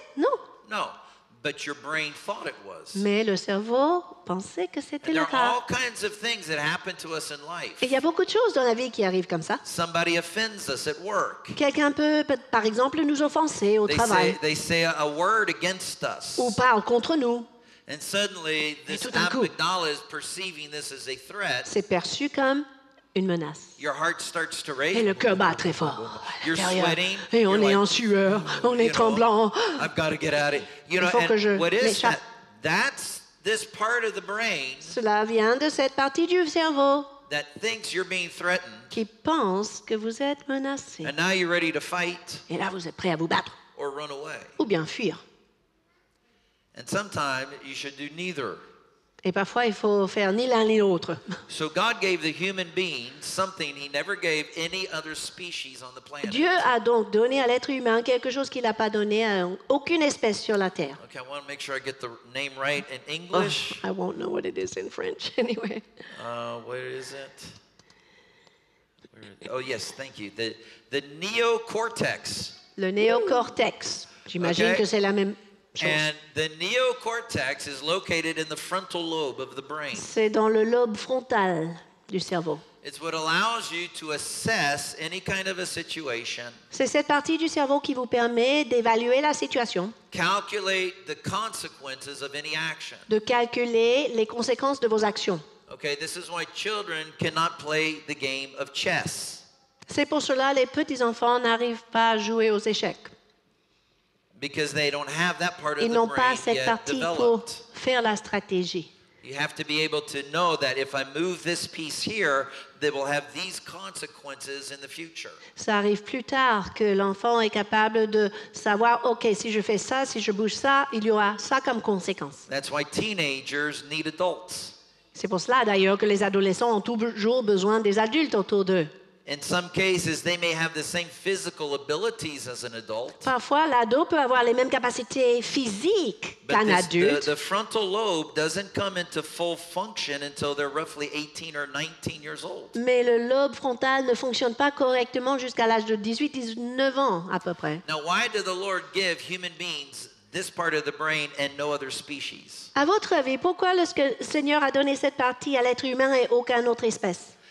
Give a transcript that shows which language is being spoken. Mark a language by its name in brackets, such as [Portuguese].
[French] Non. [English] No. But your brain thought it was. [French] Mais le cerveau pensait que c'était le cas. [English] There are all kinds of things that happen to us in life. [French] Il y a beaucoup de choses dans la vie qui arrivent comme ça. [English] Somebody offends us at work. [French] Quelqu'un peut, par exemple, nous offenser au travail. [English] They say a word against us. [French] Ou parle contre nous. [English] And suddenly, this amygdala is perceiving this as a threat. [French] C'est perçu comme une menace. [English] Your heart starts to race. [French] Et le cœur bat très fort. [English] You're sweating. [French] Et on est en sueur. On est tremblant. [English] I've got to get out of it. You know, [French] faut que je [English] what is that? That's this part of the brain. [French] Cela vient de cette partie du cerveau. [English] That thinks you're being threatened. [French] Qui pense que vous êtes menacé. [English] And now you're ready to fight. [French] Et là, vous êtes prêt à vous battre. [English] Or run away. [French] Ou bien fuir. [English] And sometimes you should do neither. [French] Et parfois, il faut faire ni l'un ni l'autre. [English] So God gave the human being something he never gave any other species on the planet. [French] Dieu a donc donné à l'être humain quelque chose qu'il n'a pas donné à aucune espèce sur la terre. [English] Okay, I want to make sure I get the name right in English. Oh, I won't know what it is in French anyway. Where is it? Oh yes, thank you. The neocortex. [French] Le néocortex. J'imagine okay. Que c'est la même. [English] And the neocortex is located in the frontal lobe of the brain. [French] C'est dans le lobe frontal du cerveau. [English] It's what allows you to assess any kind of a situation. [French] C'est cette partie du cerveau qui vous permet d'évaluer la situation. [English] Calculate the consequences of any action. [French] De calculer les conséquences de vos actions. [English] Okay, this is why children cannot play the game of chess. [French] C'est pour cela les petits enfants n'arrivent pas à jouer aux échecs. [English] Because they don't have that part [French] Ils [English] of the brain yet developed. [French] Ils n'ont pas cette partie pour faire la stratégie. [English] You have to be able to know that if I move this piece here, they will have these consequences in the future. [French] Ça arrive plus tard que l'enfant est capable de savoir, OK, si je fais ça, si je bouge ça, il y aura ça comme conséquence. [English] That's why teenagers need adults. [French] C'est pour cela, d'ailleurs, que les adolescents ont toujours besoin des adultes autour d'eux. [English] In some cases, they may have the same physical abilities as an adult. [French] Parfois, l'ado peut avoir les mêmes capacités physiques qu'un adulte. [English] But the frontal lobe doesn't come into full function until they're roughly 18 or 19 years old. [French] Mais le lobe frontal ne fonctionne pas correctement jusqu'à l'âge de 18-19 ans à peu près. [English] Now, why did the Lord give human beings this part of the brain and no other species? [French] À votre avis, pourquoi le Seigneur a donné cette partie à l'être humain et aucun autre espèce?